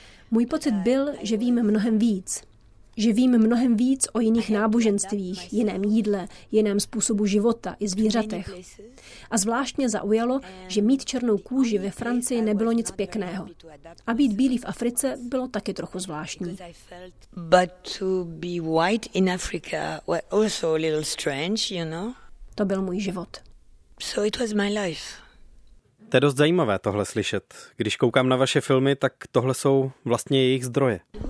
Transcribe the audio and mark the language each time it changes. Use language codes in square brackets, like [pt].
[cs] Můj pocit byl, že vím mnohem víc. Že vím mnohem víc o jiných náboženstvích, jiném jídle, jiném způsobu života i zvířatech. A zvláštně zaujalo, že mít černou kůži ve Francii nebylo nic pěkného. A být bílý v Africe bylo taky trochu zvláštní. [en] But to be white in Africa was also a little strange, you know? [cs] To byl můj život. [en] So it was my life. [cs] To je dost zajímavé tohle slyšet. Když koukám na vaše filmy, tak tohle jsou vlastně jejich zdroje.